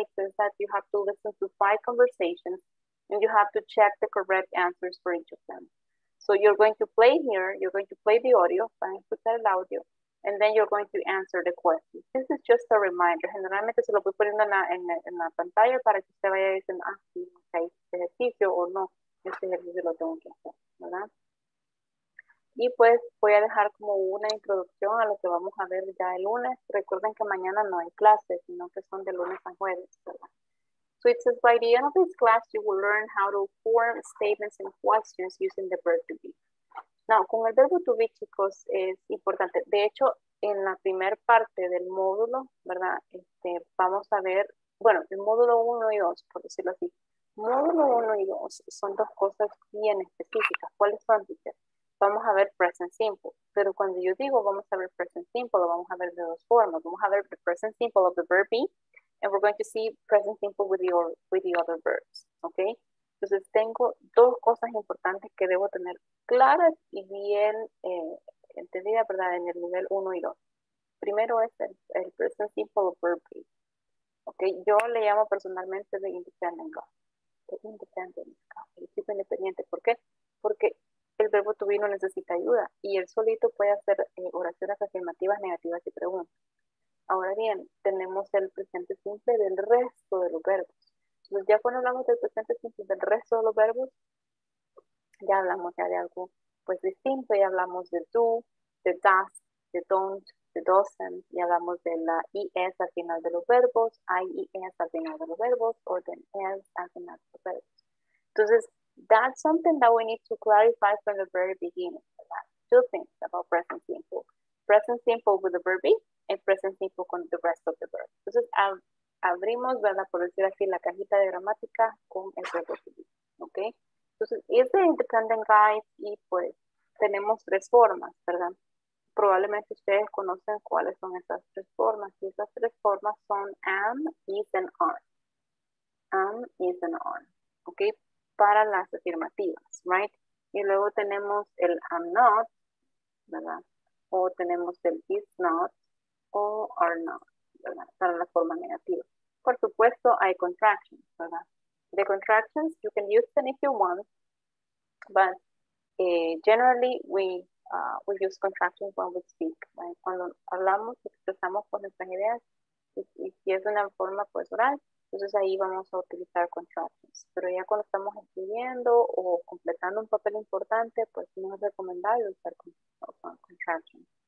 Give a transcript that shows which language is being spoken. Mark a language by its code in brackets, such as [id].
[en] It says that you have to listen to 5 conversations and you have to check the correct answers for each of them. So you're going to play here, you're going to play the audio, [es] para escuchar el audio, [en] and then you're going to answer the questions. This is just a reminder. [es] Generalmente se lo voy poniendo en la pantalla para que usted vaya diciendo, ah, sí, okay, este ejercicio o no, este ejercicio lo tengo que hacer, ¿verdad? Y pues voy a dejar como una introducción a lo que vamos a ver ya el lunes. Recuerden que mañana no hay clases, sino que son de lunes a jueves, ¿verdad? [en] So it says, by the end of this class, you will learn how to form statements and questions using the verb to be. [es] Now, con el verbo to be, chicos, es importante. De hecho, en la primer parte del módulo, ¿verdad? Vamos a ver, bueno, el módulo 1 y 2, por decirlo así. Módulo 1 y 2 son dos cosas bien específicas. ¿Cuáles son, teacher? Vamos a ver present simple. Pero cuando yo digo vamos a ver present simple, lo vamos a ver de dos formas. Vamos a ver [en] the present simple of the verb be, and we're going to see present simple with the other verbs. Okay? [es] Entonces, tengo dos cosas importantes que debo tener claras y bien entendidas, ¿verdad? En el nivel 1 y 2. Primero es el present simple of verb be. Okay? [en] Yo le llamo personalmente the independent go. The independent go. [es] El tipo independiente. ¿Por qué? Porque el verbo to be no necesita ayuda y él solito puede hacer oraciones afirmativas, negativas y preguntas. Ahora bien, tenemos el presente simple del resto de los verbos. Entonces, ya cuando hablamos del presente simple del resto de los verbos, ya hablamos ya de algo pues distinto, ya hablamos de do, de does, de don't, de doesn't, y hablamos de la es al final de los verbos, ies al final de los verbos, o de es al final de los verbos. Entonces, [en] that's something that we need to clarify from the very beginning. Two things about present simple. Present simple with the verb be and present simple con the rest of the verb. [es] Entonces, abrimos, ¿verdad? Por decir así, la cajita de gramática con el verbo to be. ¿Ok? Entonces, es de independent guide y pues tenemos tres formas, ¿verdad? Probablemente ustedes conocen cuáles son esas tres formas. Y esas tres formas son [en] am, is, and are. Am, is, and are. [es] ¿Ok? Para las afirmativas, right? [en] Y luego tenemos el I'm not, [es] ¿verdad? O tenemos el is not o are not, ¿verdad? Para la forma negativa. Por supuesto, hay contractions, ¿verdad? [en] The contractions, you can use them if you want, but generally we use contractions when we speak, right? [es] Cuando hablamos, expresamos con nuestras ideas, y si es una forma pues oral, entonces ahí vamos a utilizar contractions. Pero ya cuando estamos escribiendo o completando un papel importante, pues no es recomendable usar contractions.